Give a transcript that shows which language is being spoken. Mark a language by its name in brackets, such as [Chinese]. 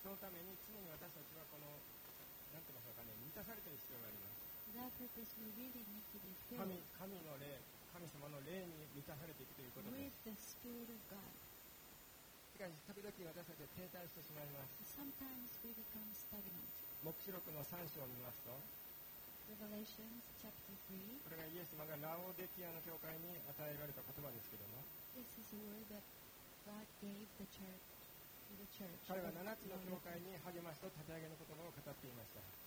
[Japanese] そのために常に私たちはこの何て言いましょうかね、満たされている必要があります。 [English] That purpose we really need to be filled. [Japanese] 神の霊、神様の霊に満たされていくということです。 [English] With the spirit of God. [Japanese] しかし時々私たちは停滞してしまいます。 [English] Sometimes we become stagnant. [Japanese] 黙示録の3章を見ますと、 [English] Revelation chapter 3. [Japanese] これがイエス様がラオデキアの教会に与えられた言葉ですけども、 [English] This is a word thatGod gave the church to the church. [Japanese] 彼は7つの教会に励ましと立て上げの言葉を語っていました。